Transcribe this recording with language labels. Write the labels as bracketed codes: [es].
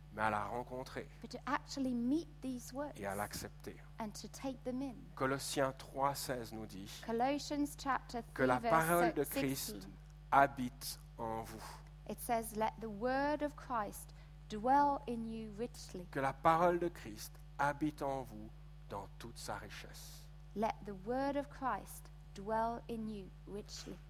[fr] mais à la rencontrer [en] but to actually meet these words [fr] et à l'accepter. [en] And to take them in. [fr] Colossiens 3, 16 nous dit [en] Colossians chapter 3, [fr] que la parole de Christ [en] 16. [fr] Habite en vous. [en] It says, let the word of Christ dwell in you richly. [fr] Que la parole de Christ habite en vous dans toute sa richesse. [en] Let the word of Christ dwell in you richly.